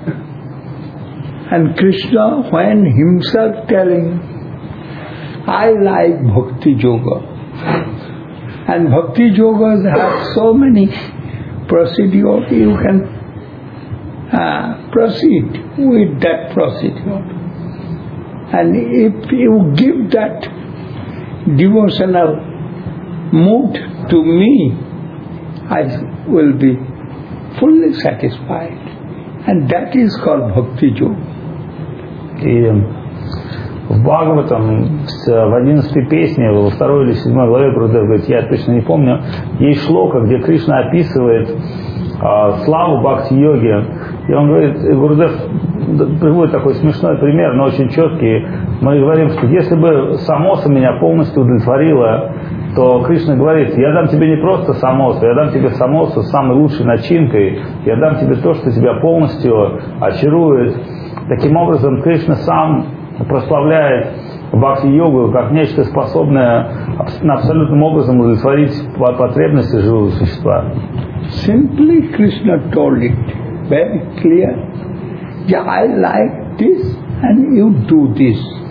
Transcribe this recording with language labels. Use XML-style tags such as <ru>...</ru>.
<en>And Krishna, when himself telling, I like bhakti yoga, and bhakti yogas have so many procedures, you can proceed with that procedure. And if you give that devotional mood to me, I will be fully satisfied. And that is called bhakti yoga.</en> <ru>И в Бхагаватам, в 11-й песне, во 2-й или 7-й главе, Гурудев говорит, я точно не помню, есть шлока, где Кришна описывает славу бхакти-йоги. И он говорит, Гурудев приводит такой смешной пример, но очень четкий. Мы говорим, что если бы самоса меня полностью удовлетворила, то Кришна говорит, я дам тебе не просто самосу, я дам тебе самосу с самой лучшей начинкой, я дам тебе то, что тебя полностью очарует. Таким образом, Кришна сам прославляет бхакти-йогу как нечто, способное абсолютным образом удовлетворить потребности живого существа.</ru> <en>Simply Krishna told it very clear. Yeah, I like this and you do this.</en>